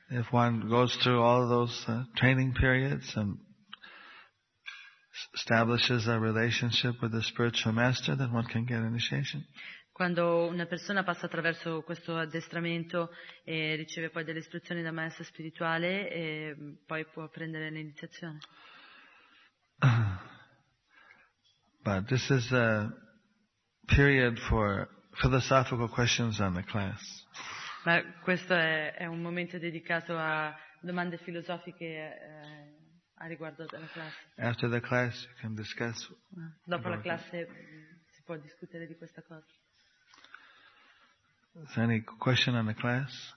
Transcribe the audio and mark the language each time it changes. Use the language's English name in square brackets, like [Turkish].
[English] If one goes through all those training periods and establishes a relationship with the spiritual master, then one can get initiation. [Italian] Quando una persona passa attraverso questo addestramento e riceve poi delle istruzioni da maestro spirituale, e poi può prendere l'iniziazione. [English] But this is a period for philosophical questions on the class. [Italian] Ma questo è un momento dedicato a domande filosofiche a riguardo della classe. [English] After the class you can discuss. [Italian] Dopo la classe si può discutere di questa cosa. [English] Is there any question on the class?